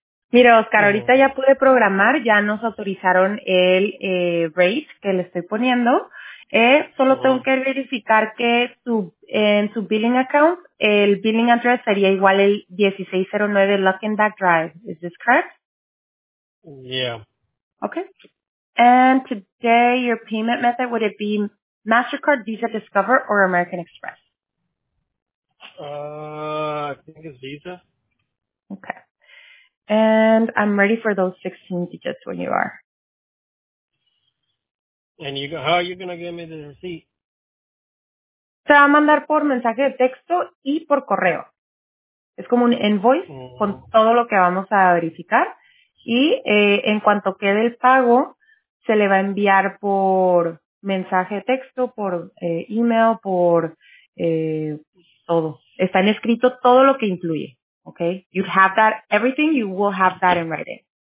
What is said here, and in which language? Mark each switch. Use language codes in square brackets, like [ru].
[es] Mira, Oscar, ahorita ya pude programar, ya nos autorizaron el rate que le estoy poniendo. Solo tengo que verificar que en su billing account el billing address sería igual el 1609 Luckin Duck Drive. ¿Es [en] this correct? Okay. And today your payment method would it be Mastercard, Visa, Discover, or American Express? I think it's Visa. Okay. And I'm ready for those 16 digits when you are. And you go, how are you going to give me the receipt? [es] Te va a mandar por mensaje de texto y por correo. Es como un invoice con todo lo que vamos a verificar. Y en cuanto quede el pago, se le va a enviar por mensaje de texto, por email, por todo. Está en escrito todo lo que incluye. ¿Ok? [en] You have that, everything, you will have that in writing.